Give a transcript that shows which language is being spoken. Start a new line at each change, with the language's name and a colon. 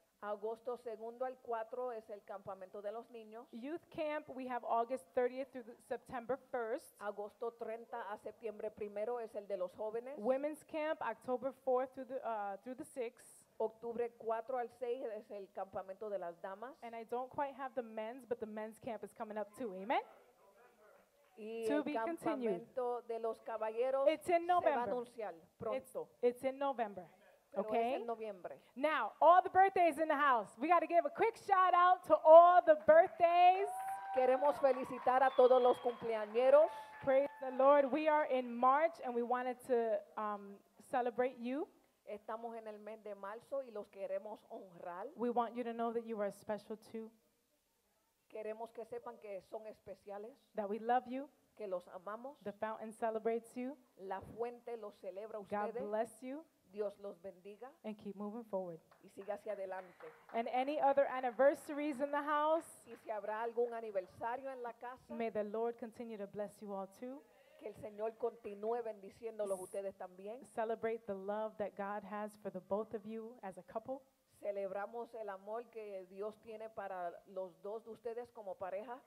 Spanish: Agosto 2nd al 4 es el campamento de los niños.
English: Youth Camp, we have August 30th through September 1st.
Spanish: Agosto 30 a septiembre 1 es el de los jóvenes.
English: Women's Camp, October 4th through the 6th.
Spanish: Octubre 4 al 6 es el campamento de las damas.
English: And I don't quite have the men's, but the men's camp is coming up too. Amen.
Spanish: Y
English: to
Spanish: el
English: be
Spanish: campamento
English: continued.
Spanish: De los caballeros
English: it's in November.
Spanish: Se va a anunciar pronto.
English: It's in November. Okay?
Spanish: Pero es en noviembre.
English: Now, all the birthdays in the house. We got to give a quick shout out to all the birthdays.
Spanish: Queremos felicitar a todos los cumpleañeros.
English: Praise the Lord. We are in March and we wanted to celebrate you.
Spanish: Estamos en el mes de marzo y los queremos honrar.
English: We want you to know that you are special too.
Spanish: Queremos que sepan que son especiales.
English: That we love you.
Spanish: Que los amamos.
English: The fountain celebrates you.
Spanish: La fuente los celebra
English: God
Spanish: ustedes.
English: God bless you.
Spanish: Dios los bendiga.
English: And keep moving forward.
Spanish: Y siga hacia adelante.
English: And any other anniversaries in the house.
Spanish: Y si habrá algún aniversario en la casa.
English: May the Lord continue to bless you all too.
Spanish: Que el Señor continúe bendiciéndolos ustedes también.
English: Celebrate the love that God has for the both of you as a couple.
Spanish: Celebramos el amor que Dios tiene para los dos de ustedes como pareja.